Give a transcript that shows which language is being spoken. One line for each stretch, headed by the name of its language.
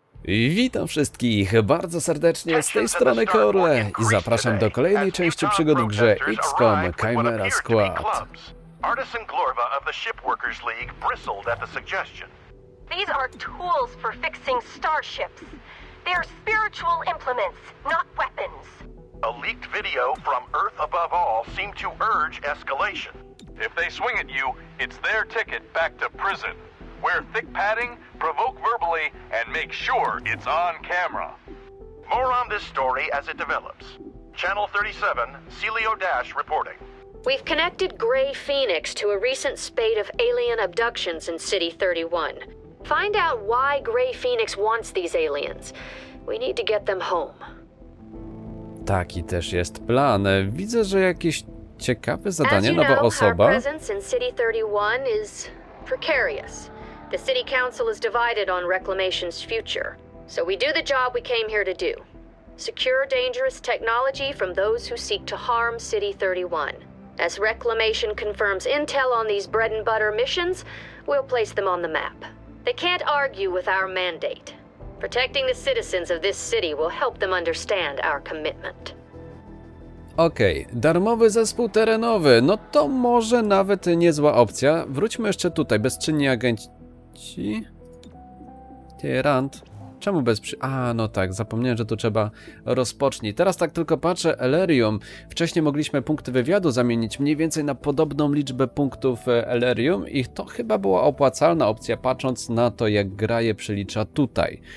Polish: Witam wszystkich bardzo serdecznie z tej strony Korle i zapraszam do kolejnej części przygód w grze XCOM Chimera Squad.
English: Artisan Glorva of the Shipworkers League bristled at the suggestion. These are tools for fixing starships. They are spiritual implements, not weapons. A leaked video from Earth above all seemed to urge escalation. If they swing at you, it's their ticket back to prison. Wear thick padding, provoke verbally, and make sure it's on camera. More on this story as it develops. Channel 37, Celio Dash reporting. We've connected Gray Phoenix to a recent spate of alien abductions in City 31. Find out why Gray Phoenix wants these aliens. We need to get them home.
Polish: Taki też jest plan. Widzę, że jakieś ciekawe zadanie, nowa osoba.
English: Our presence in City 31 is precarious. The city council is divided on Reclamation's future. So we do the job we came here to do. Secure dangerous technology from those who seek to harm City 31. As Reclamation confirms intel on these bread and butter missions, we'll place them on the map. They can't argue with our mandate. Protecting the citizens of this city will help them understand our commitment.
Polish: Okej, darmowy zespół terenowy. No to może nawet niezła opcja. Wróćmy jeszcze tutaj, bezczynni agenci. Tyrant. Czemu bez przy... A, no tak, zapomniałem, że tu trzeba rozpocznij. Teraz tak tylko patrzę, Elerium. Wcześniej mogliśmy punkty wywiadu zamienić mniej więcej na podobną liczbę punktów Elerium i to chyba była opłacalna opcja, patrząc na to, jak gra je przelicza tutaj.